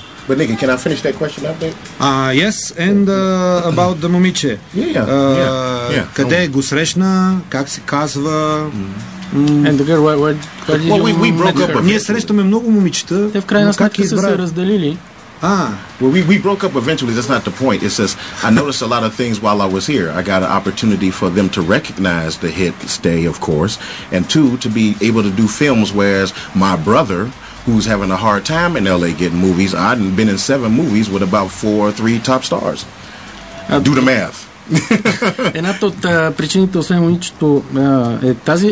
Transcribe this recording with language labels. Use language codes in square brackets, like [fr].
[en] But Nikki, can I finish that question up there? Yes, and about the [bg] момиче. [en] Yeah. [bg] Къде го срещна, как се казва... [en] And the girl, where well, we broke up. [bg] Ние срещаме много момичета. Те в крайна сметка са се разделили. [en] Well, we broke up eventually. That's not the point. It says I noticed a lot of things while I was here. I got an opportunity for them to recognize the hit Stay, of course, and two, to be able to do films, whereas my brother, who's having a hard time in LA getting movies, I've been in 7 movies with about 4 or 3 top stars. Do the math. [bg] Едната от причините, освен момичето, е тази.